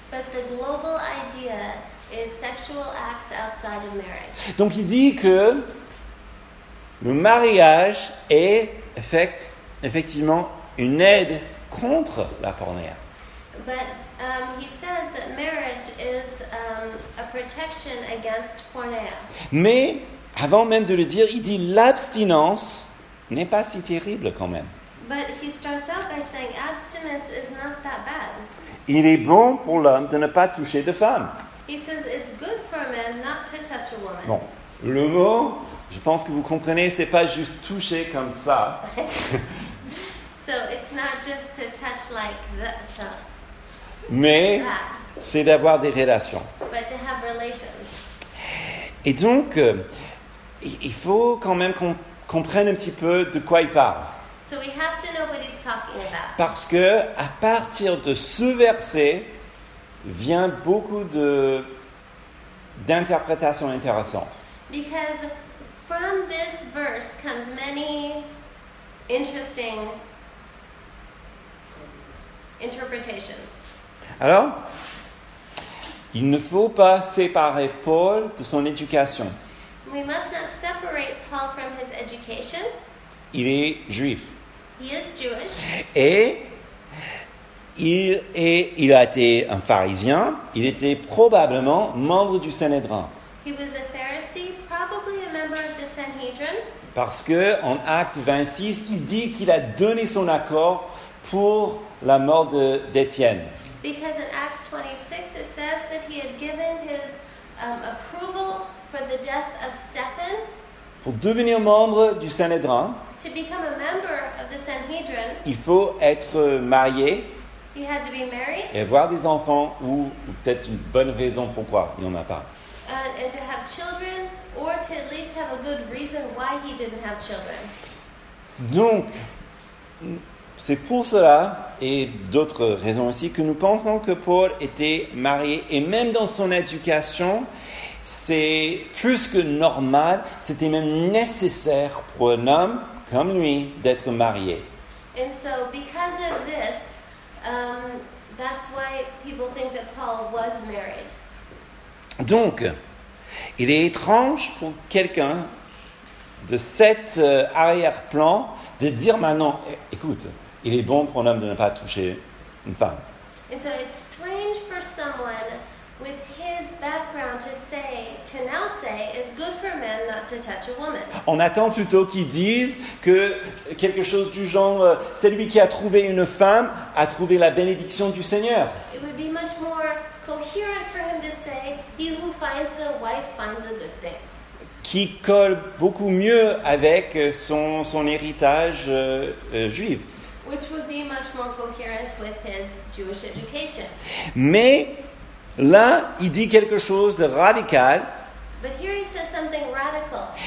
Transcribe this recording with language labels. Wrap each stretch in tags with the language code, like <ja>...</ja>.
<en>But the global idea is sexual acts outside of marriage.</en> <fr>Donc il dit que le mariage est effectivement une aide contre la pornéa.</fr> <en>But he says that marriage is a protection against pornéa.</en> <fr>Mais avant même de le dire, il dit l'abstinence n'est pas si terrible quand même.</fr> <en>But he starts out by saying abstinence is not that bad.</en> <fr>Il est bon pour l'homme de ne pas toucher de femme.</fr> <en>He says it's good for a man not to touch a woman.</en> <fr>Bon. Le mot, je pense que vous comprenez, c'est pas juste toucher comme ça.</fr> <en>So it's not just to touch like the,</en> <fr>mais</fr> <en>that.</en> <fr>C'est d'avoir des relations.</fr> <en>But to have relations.</en> <fr>Et donc, il faut quand même qu'on comprenne un petit peu de quoi il parle.</fr> <en>So we have to know what he's talking about.</en> <fr>Parce que à partir de ce verset vient beaucoup de d'interprétations intéressantes.</fr> <en>Because from this verse comes many interesting interpretations.</en> <fr>Alors, il ne faut pas séparer Paul de son éducation.</fr> <en>We must not separate Paul from his education.</en> <fr>Il est juif.</fr> <en>He is Jewish.</en> <fr>Et il a été un pharisien. Il était probablement membre du Sanhédrin.</fr> <en>He was a Pharisee, probably a member of the Sanhedrin.</en> <fr>Parce que en acte 26, il dit qu'il a donné son accord pour la mort d'Étienne.</fr> <en>Because in Acts 26 it says that he had given his approval for the death of Stephen.</en> <fr>Pour devenir membre du Sanhédrin,</fr> <en>to become a member of the Sanhedrin,</en> <fr>il faut être marié.</fr> <en>He had to be married.</en> <fr>Et avoir des enfants ou peut-être une bonne raison pourquoi il n'en a pas.</fr> <en>And to have children, or to at least have a good reason why he didn't have children.</en> <fr>Donc, c'est pour cela, et d'autres raisons aussi, que nous pensons que Paul était marié, et même dans son éducation, c'est plus que normal, c'était même nécessaire pour un homme comme lui d'être marié.</fr> <en>And so, because of this, that's why people think that Paul was married.</en> <fr>Donc, il est étrange pour quelqu'un de cet arrière-plan de dire maintenant, écoute, il est bon pour un homme de ne pas toucher une femme.</fr> <en>And so it's strange for someone with his background to say, to now say, it's good for men not to touch a woman.</en> <fr>On attend plutôt qu'ils disent que quelque chose du genre, celui qui a trouvé une femme a trouvé la bénédiction du Seigneur.</fr> <en>It would be much more coherent for him to say, he who finds a wife finds a good thing.</en> <fr>Qui colle beaucoup mieux avec son héritage juif.</fr> <en>Which would be much more coherent with his Jewish education.</en> <fr>Mais là, il dit quelque chose de radical.</fr> <en>But here he says something radical.</en>